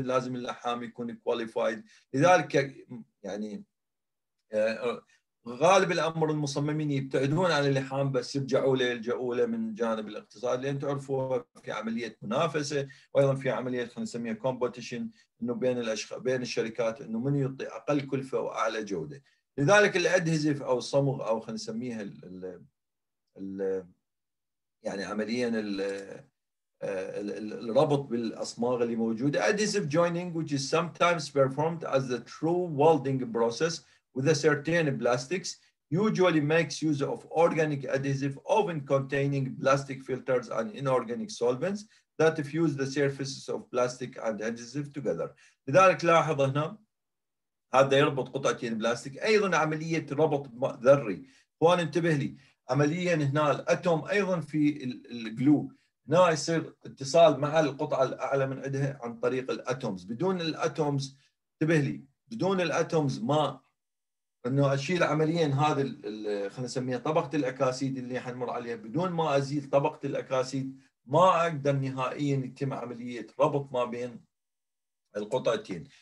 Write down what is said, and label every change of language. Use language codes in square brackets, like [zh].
[ar] لازم اللحام يكون كواليفايد. لذلك يعني غالب الامر المصممين يبتعدون عن اللحام بس يرجعوا له يلجؤوا له من جانب الاقتصاد، لان تعرفوا في عمليه منافسه وايضا في عمليه خلينا نسميها كومبيتيشن انه بين الاشخاص بين الشركات انه من يعطي اقل كلفه واعلى جوده. لذلك الأدهزة أو الصمغ أو خلينا نسميها ال يعني عمليا الربط بالأصماغ اللي موجودة، [en] adhesive joining which is sometimes performed as the true welding process with a certain plastics usually makes use of organic adhesive often containing plastic filters and inorganic solvents that fuse the surfaces of plastic and adhesive together. [ar] لذلك لاحظ هنا هذا يربط قطعتين بلاستيك، ايضا عمليه ربط ذري. هون انتبه لي عمليا هنا الاتوم ايضا في الجلو هنا يصير اتصال مع القطعه الاعلى من عندها عن طريق الاتومز. بدون الاتومز انتبه لي، بدون الاتومز ما انه اشيل عمليا هذا خلينا نسميها طبقه الاكاسيد اللي حنمر عليها، بدون ما ازيل طبقه الاكاسيد ما اقدر نهائيا يتم عمليه ربط ما بين القطعتين.